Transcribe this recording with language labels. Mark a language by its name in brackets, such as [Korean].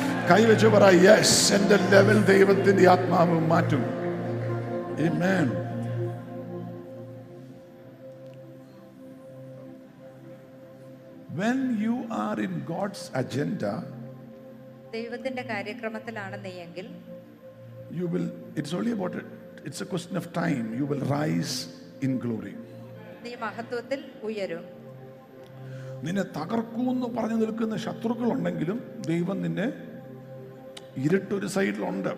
[Malayalam] കൈവച്ച് പറയ യെസ്, എന്റെ ലെവൽ ദൈവത്തിന്റെ ആത്മാവ് മാറ്റും. ആമേൻ. [English] When you are in God's agenda, [Malayalam] ദൈവത്തിന്റെ കാര്യക്രമത്തിലാണെന്നെങ്കിൽ [English] you will, it's only about it, it's a question of time, you will rise in glory. [Malayalam] നീ മഹത്വത്തിൽ ഉയരും. നിന്നെ തകർക്കൂന്ന് പറഞ്ഞു നിൽക്കുന്ന ശത്രുക്കൾ ഉണ്ടെങ്കിലും ദൈവം നിന്നെ ഇരുട്ടൊരു സൈഡിലുണ്ട്.